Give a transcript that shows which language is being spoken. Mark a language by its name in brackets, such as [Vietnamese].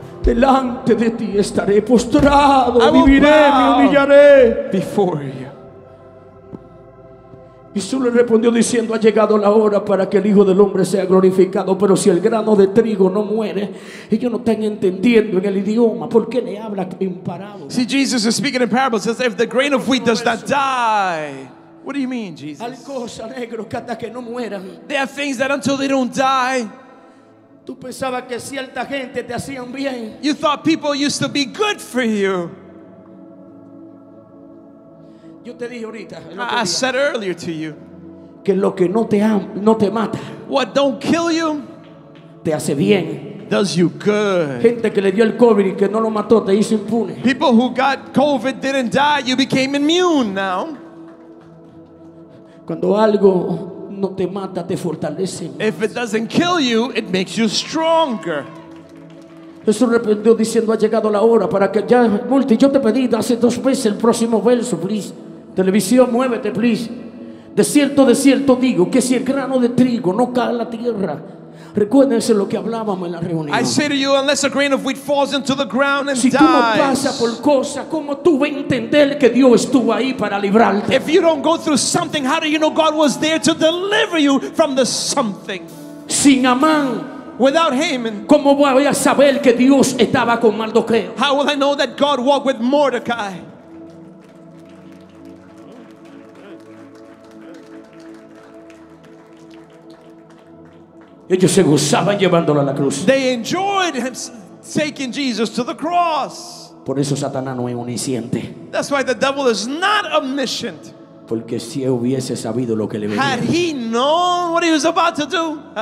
[Spanish] Delante de ti estaré postrado. Viviré, me humillaré. [English] Before you. [Spanish] Jesús le respondió diciendo, ha llegado la hora para que el Hijo del Hombre sea glorificado, pero si el grano de trigo no muere, ellos no están entendiendo en el idioma, ¿por qué le habla en parábolas? [English] See, Jesus is speaking in parables, says, if the grain of wheat does not die, what do you mean, Jesus? [Spanish] Hay cosas negras que hasta que no mueran. [English] There are things that until they don't die. [Spanish] Tú pensabas que cierta gente te hacían bien. [English] You thought people used to be good for you. I said earlier to you [Spanish] que lo que no te mata, [English] what don't kill you [Spanish] te hace bien, [English] does you good. [Spanish] Gente que le dio el COVID y que no lo mató te hizo impune. [English] People who got COVID didn't die, you became immune now. [Spanish] Cuando algo no te mata te fortalece. [English] If it doesn't kill you, it makes you stronger. [Spanish] Jesús respondió diciendo, ha llegado la hora para que ya multi. Yo te pedí hace dos veces el próximo verso, [English] please. [Spanish] Televisión, muévete, [English] please. [Spanish] De cierto digo, que si el grano de trigo no cae en la tierra, recuérdense lo que hablábamos en la reunión. [English] I say to you, unless a grain of wheat falls into the ground and [Spanish] si [English] dies. [Spanish] Si tú no pasas por cosas, ¿cómo tú vas a entender que Dios estuvo ahí para librarte? [English] If you don't go through something, how do you know God was there to deliver you from the something? [Spanish] Sin Amán. [English] Without Haman, [Spanish] ¿cómo voy a saber que Dios estaba con Mardoqueo? [English] How will I know that God walked with Mordecai? [Spanish] Ellos se gozaban llevándolo a la cruz. [English] They enjoyed him taking Jesus to the cross. [Spanish] Por eso Satanás no es omnisciente. [English] That's why the devil is not omniscient. [Spanish] Porque si hubiese sabido lo que le venía. [English] Had he known what he was about to do,